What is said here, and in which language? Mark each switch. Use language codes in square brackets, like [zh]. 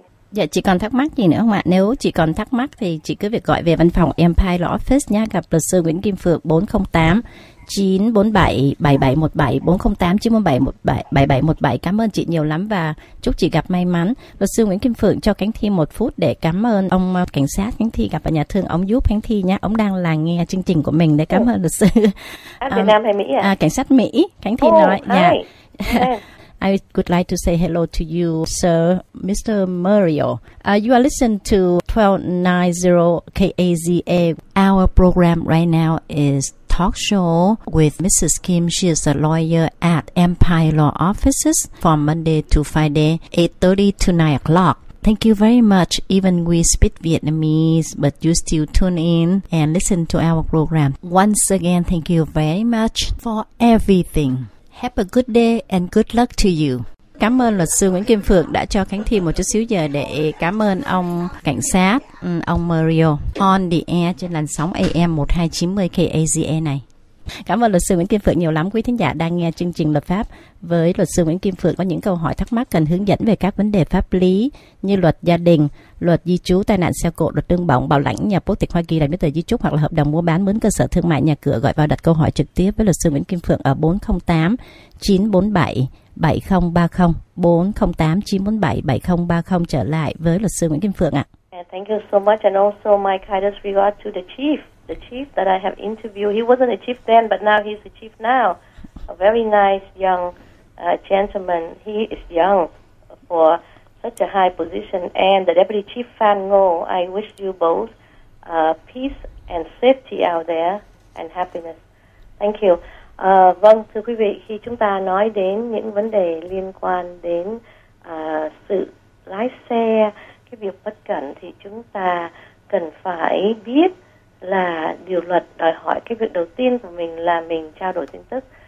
[vi] Dạ, chị còn thắc mắc gì nữa không ạ? Nếu chị còn thắc mắc thì chị cứ việc gọi về văn phòng Empire Law Office nhé, gặp luật sư Nguyễn Kim Phượng 408-947-7717, 408-947-7717. Cảm ơn chị nhiều lắm và chúc chị gặp may mắn. Luật sư Nguyễn Kim Phượng cho Khánh Thi một phút để cảm ơn ông cảnh sát Khánh Thi gặp ở nhà thương, ông giúp Khánh Thi nhé. Ông đang là nghe chương trình của mình để cảm ơn luật sư. Việt Nam hay Mỹ ạ? Cảnh sát Mỹ, Khánh Thi nói. Dạ. [en] I would like to say hello to you, sir, Mr. Mario. You are listening to 1290 KAZA. Our program right now is talk show with Mrs. Kim. She is a lawyer at Empire Law Offices from Monday to Friday, 8:30 to 9 o'clock. Thank you very much. Even we speak Vietnamese, but you still tune in and listen to our program. Once again, thank you very much for everything. Have a good day and good luck to you. [vi] Cảm ơn luật sư Nguyễn Kim Phượng đã cho Khánh Thi một chút xíu giờ để cảm ơn ông cảnh sát, ông Mario, [en] on the air [vi] trên làn sóng AM 1290 KAZA này. Cảm ơn luật sư Nguyễn Kim Phượng nhiều lắm. Quý thính giả đang nghe chương trình luật pháp với luật sư Nguyễn Kim Phượng có những câu hỏi thắc mắc cần hướng dẫn về các vấn đề pháp lý như luật gia đình, luật di trú, tai nạn xe cộ, luật tương bổng, bảo lãnh nhà, quốc tịch Hoa Kỳ, đăng ký tờ di trúc hoặc là hợp đồng mua bán, mướn cơ sở thương mại, nhà cửa, gọi vào đặt câu hỏi trực tiếp với luật sư Nguyễn Kim Phượng ở 408-947-7030, 408-947-7030. Trở lại với luật sư Nguyễn Kim Phượng ạ. [en] Thank you so much, and also my kindest regard to the chief. The chief that I have interviewed, he wasn't a chief then, but now he's a chief now. A very nice young gentleman. He is young for such a high position. And the deputy chief, Phan Ngo, I wish you both peace and safety out there and happiness. Thank you. [vi] Vâng, thưa quý vị, khi chúng ta nói đến những vấn đề liên quan đến sự lái xe, cái việc bất cẩn, thì chúng ta cần phải biết là điều luật đòi hỏi cái việc đầu tiên của mình là mình trao đổi tin tức.